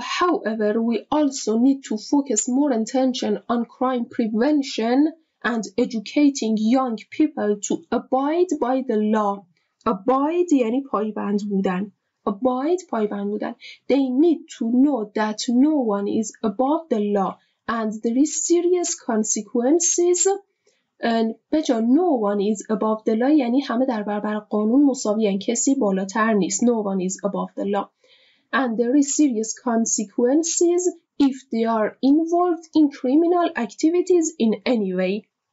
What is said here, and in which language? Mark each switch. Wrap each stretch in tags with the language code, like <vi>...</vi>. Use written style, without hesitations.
<en>However, we also need to focus more attention on crime prevention and educating young people to abide by the law.</en> <fa>Abide یعنی پایبند بودن. Abide پایبند بودن.</fa> <en>They need to know that no one is above the law and there is serious consequences.</en> <fa>And بجا</fa> <en>no one is above the law</en> <fa>یعنی همه در برابر قانون مساویان، کسی بالاتر نیست.</fa> <en>No one is above the law. And there is serious consequences if they are involved in criminal activities in any way.</en>